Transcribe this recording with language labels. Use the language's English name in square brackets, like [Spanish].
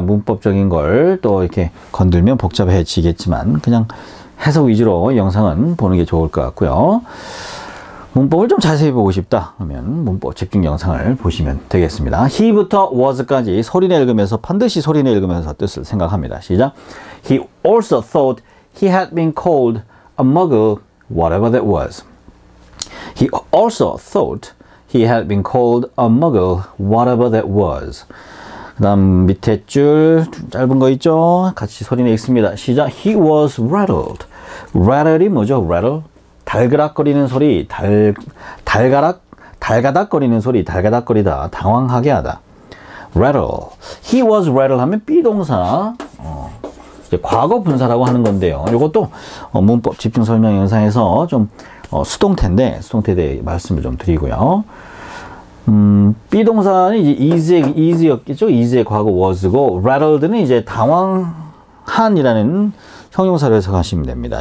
[Korean] 문법적인 걸 또 이렇게 건들면 복잡해지겠지만 그냥 해석 위주로 영상은 보는 게 좋을 것 같고요. 문법을 좀 자세히 보고 싶다 하면 문법 집중 영상을 보시면 되겠습니다. He부터 was까지 소리내 읽으면서 반드시 소리내 읽으면서 뜻을 생각합니다. 시작. [English] He also thought he had been called a muggle, whatever that was. He also thought he had been called a muggle, whatever that was. [Korean] 그 다음 밑에 줄 짧은 거 있죠? 같이 소리내 읽습니다. 시작. [English] He was rattled. [Korean] Rattled이 뭐죠? Rattle. 달그락거리는 소리. 달가닥거리는 소리. 달가닥거리다. 당황하게 하다. Rattle. [English] He was rattled [Korean] 하면 be동사. 이제 과거 분사라고 하는 건데요. 이것도 문법 집중 설명 영상에서 좀 수동태인데 수동태에 대해 말씀을 좀 드리고요. be동사는 이제 is였겠죠. is의 과거 was고 rattled는 이제 당황한이라는 형용사로 해석하시면 됩니다.